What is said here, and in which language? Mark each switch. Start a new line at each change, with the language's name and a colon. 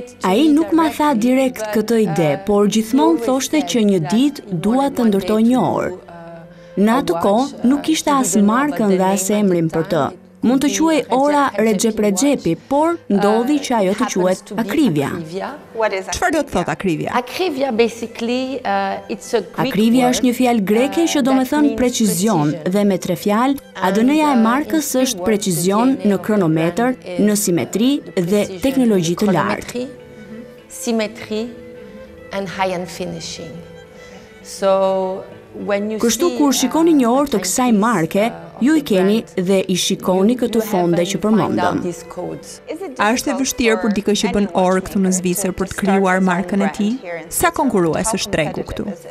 Albanian: Ai nuk ma tha direkt këtë ide, por gjithmonë thoshte që një ditë dua të ndërtoj një orë. Në atë kohë nuk kishte as markën dhe as emrin për të. Mund të quaj ora Recep Recepi, por ndodhi që ajo të quhet Akrivja. Çfarë do të thotë Akrivja?
English: Akrivja basically it's a Greek.
Albanian: Akrivja është një fjalë greke që do të thonë precizion dhe me tre fjalë, ADN-ja e markës është precizion në kronometër, në simetri dhe teknologji të lartë.
English: Symmetry and high end finishing. So
Albanian: kështu kur shikoni një orë të kësaj marke, ju i keni dhe i shikoni këto fonde që përmendëm. A është e vështirë për dikë që bën orë këtu në Zvicër për të krijuar markën e tij? Sa konkurues është tregu këtu?